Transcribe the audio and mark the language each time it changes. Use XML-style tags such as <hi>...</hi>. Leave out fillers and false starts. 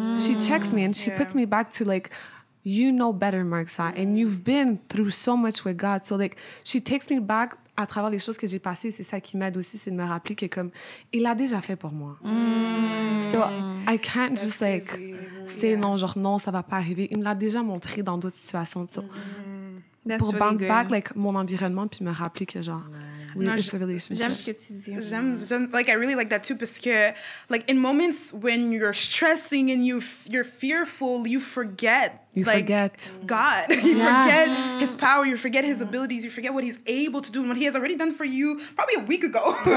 <en>She checks me and she puts me back to like, you know better, Marksa. And you've been through so much with God. So like, she takes me back</en> <fr>à travers les choses que j'ai passées. C'est ça qui m'aide aussi, c'est de me rappeler que comme, il l'a déjà fait pour moi.</fr> <en>So I can't That's just crazy. Like, say</en> <fr>non, genre non, ça va pas arriver. Il me l'a déjà montré dans d'autres situations. So, pour</fr> <en>bounce back,</en> <fr>like, mon environnement puis me rappeler que genre... J'aime ce que tu dis.</fr> <en>J'aime, like, I really like that too,</en> <fr>parce que,</fr> <en>like, in moments when you're stressing and you're fearful, you forget. You like, forget. God. You forget his power, you forget his abilities, you forget what he's able to do and what he has already done for you, probably a week ago.</en>